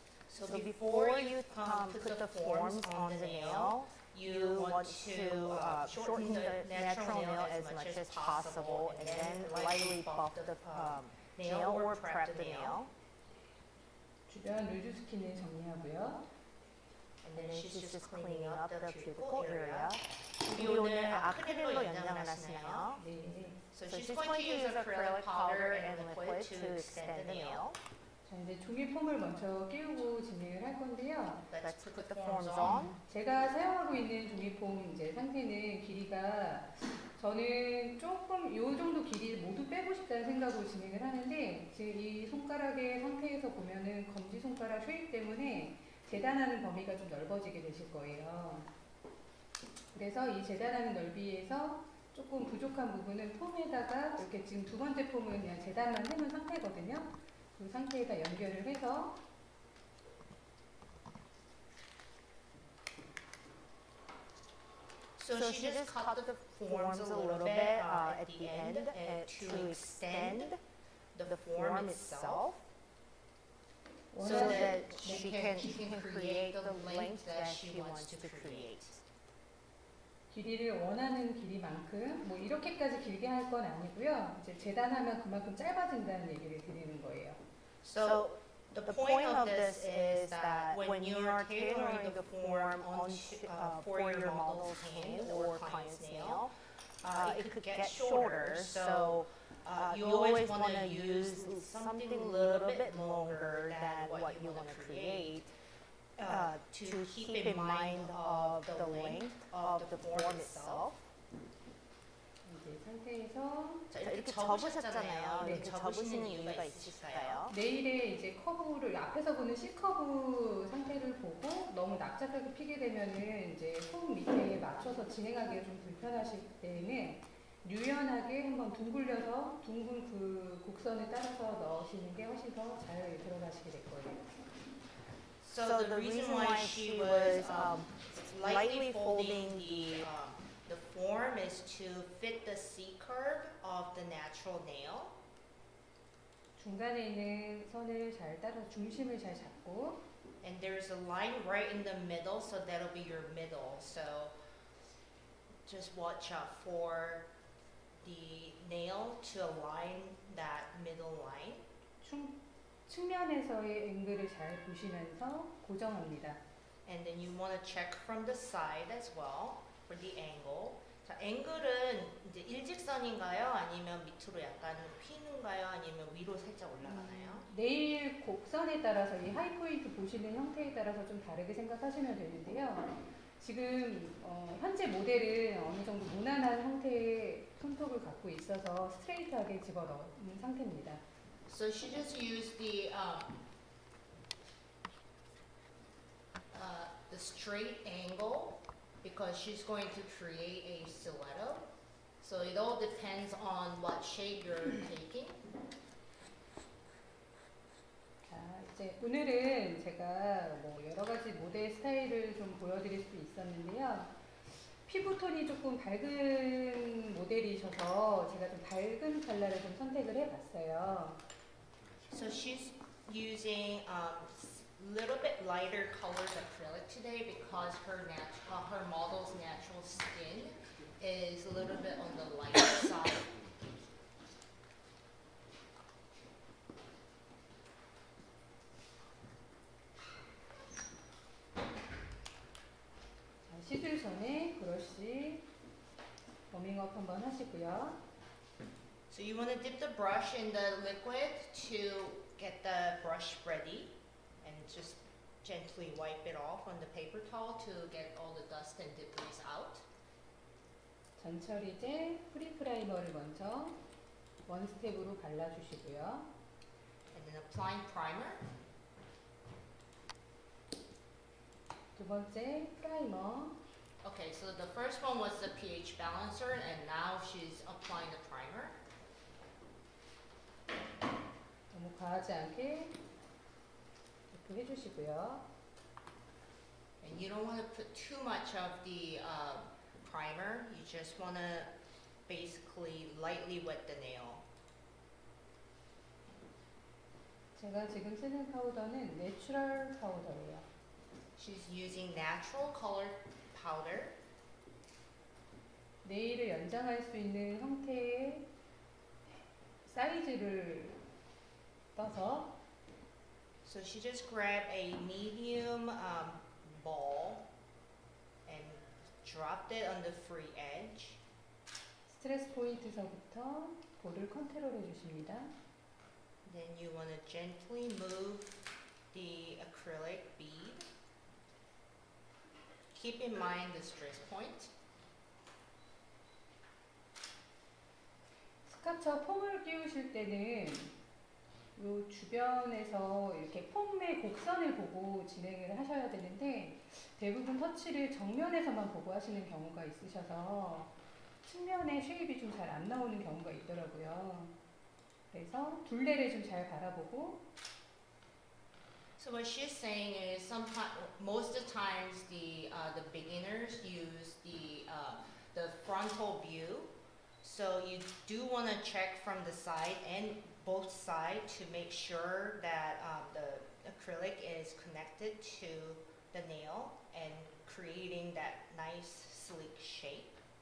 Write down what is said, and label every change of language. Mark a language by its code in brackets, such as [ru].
[en] So before you put the forms on the nail, you want to shorten the natural nail as much as possible and then lightly buff the nail or prep the nail. [ko] 주변 루즈 스킨을 정리하고요. [en] And then she's just cleaning up the cuticle area. [ko] 우리 오늘 아크릴로 연장을 하시나요? 네. [en] So she's going to use acrylic powder and liquid to extend the nail. [ko] 자, 이제 종이 폼을 먼저 끼우고 진행을 할 건데요. [en] Let's put the forms on. [ko] 제가 사용하고 있는 종이 폼 이제 상태는 길이가 저는 조금 이 정도 길이 모두 빼고 싶다는 생각으로 진행을 하는데 지금 이 손가락의 상태에서 보면은 검지 손가락 쉐입 때문에 재단하는 범위가 좀 넓어지게 되실 거예요. 그래서 이 재단하는 넓이에서 조금 부족한 부분은 폼에다가 이렇게 지금 두 번째 폼은 그냥 재단만 해놓은 상태거든요. 그 상태에다 연결을 해서 [en] So she just cut the forms a little bit at the end to extend the form itself so that she can create the length that she wants to create. [ko] 길이를 원하는 길이만큼 뭐 이렇게까지 길게 할 건 아니고요. 이제 재단하면 그만큼 짧아진다는 얘기를 드리는 거예요. [en] So the point of this is that when you are tailoring the form for your model's hand or client's nail, it could get shorter. So you always want to use something a little bit longer than what you want to create to keep in mind of the length of the form itself. [ko] 이제 된 상태에서 자, 이렇게 접으셨잖아요. 네, 이렇게 접으시는 이유가 있을까요? 네일의 이제 커브를 앞에서 보는 C커브 상태를 보고 너무 납작하게 피게 되면은 이제 손 밑에 맞춰서 진행하기가 좀 불편하실 때에는 유연하게 한번 둥글려서 둥근 그 곡선에 따라서 넣으시는 게 훨씬 더 자유롭게 들어가시게 될 거예요. [en] So the reason why she was lightly folding the form is to fit the C curve of the natural nail. [ko] 중간에 있는 선을 잘 따라 중심을 잘 잡고. [en] And there's a line right in the middle, so that'll be your middle. So just watch out for the nail to align that middle line. [ko] 측면에서의 앵글을 잘 보시면서 고정합니다. [en] And then you want to check from the side as well for the angle. [ko] 자, 앵글은 이제 일직선인가요? 아니면 밑으로 약간 휘는가요? 아니면 위로 살짝 올라가나요? 네일 곡선에 따라서 이 하이 포인트 보시는 형태에 따라서 좀 다르게 생각하시면 되는데요. 지금 현재 모델은 어느 정도 무난한 형태의 손톱을 갖고 있어서 스트레이트하게 집어넣는 상태입니다. [en] So she just used the straight angle because she's going to create a silhouette. So it all depends on what shape you're taking. [ko] 자, 이제 오늘은 제가 뭐 여러 가지 모델 스타일을 좀 보여드릴 수 있었는데요. 피부톤이 조금 밝은 모델이셔서 제가 좀 밝은 컬러를 좀 선택을 해봤어요. [en] So she's using a little bit lighter colors acrylic today because her model's natural skin is a little bit on the lighter side. [ko] 자, 시술 전에 브러쉬 워밍업 한번 하시고요. [en] So you want to dip the brush in the liquid to get the brush ready and just gently wipe it off on the paper towel to get all the dust and debris out. [ko] 전처리 제 프리프라이머를 먼저 원스텝으로 발라주시고요. [en] And then applying primer. [ko] 두 번째 프라이머. [en] Okay, so the first one was the pH balancer and now she's applying the primer. [ko] 너무 과하지 않게 이렇게 해주시고요. [en] And you don't want to put too much of the primer. You just want to basically lightly wet the nail. [ko] 제가 지금 쓰는 파우더는 내추럴 파우더예요. [en] She's using natural color powder. [ko] 네일을 연장할 수 있는 형태의 사이즈를 떠서 [en] So she just grabbed a medium ball and dropped it on the free edge. [ko] 스트레스 포인트서부터 볼을 컨트롤해 주십니다. [en] Then you want to gently move the acrylic bead. Keep in mind the stress point. [ko] 스카쳐 폼을 끼우실 때는 이 주변에서 이렇게 폼의 곡선을 보고 진행을 하셔야 되는데 대부분 터치를 정면에서만 보고 하시는 경우가 있으셔서 측면에 쉐입이 좀 잘 안 나오는 경우가 있더라고요. 그래서 둘레를 좀 잘 바라보고 [en] So what she's saying is most of the times the beginners use the frontal view. So you do want to check from the side and both sides to make sure that the acrylic is connected to the nail and creating that nice sleek shape.